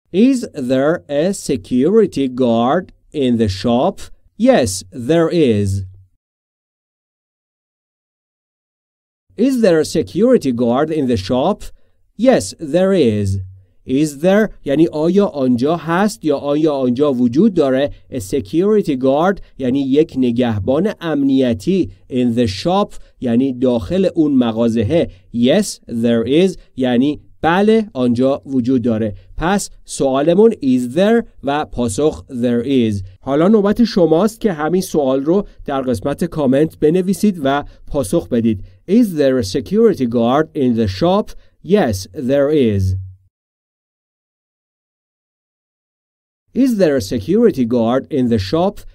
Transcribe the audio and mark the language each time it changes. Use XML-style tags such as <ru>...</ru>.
<en>Is there a security guard in the shop? Yes, there is. Is there a security guard in the shop? Yes, there is. Is there</en> <fa>یعنی آیا آنجا هست یا آیا آنجا وجود داره؟</fa> <en>A security guard</en> <fa>یعنی یک نگهبان امنیتی.</fa> <en>In the shop</en> <fa>یعنی داخل اون مغازه.</fa> <en>Yes, there is</en> <fa>یعنی بله آنجا وجود داره. پس سوالمون</fa> <en>is there</en> <fa>و پاسخ</fa> <en>there is.</en> <fa>حالا نوبت شماست که همین سوال رو در قسمت کامنت بنویسید و پاسخ بدید.</fa> <en>Is there a security guard in the shop؟ Yes, there is. Is there a security guard in the shop?</en>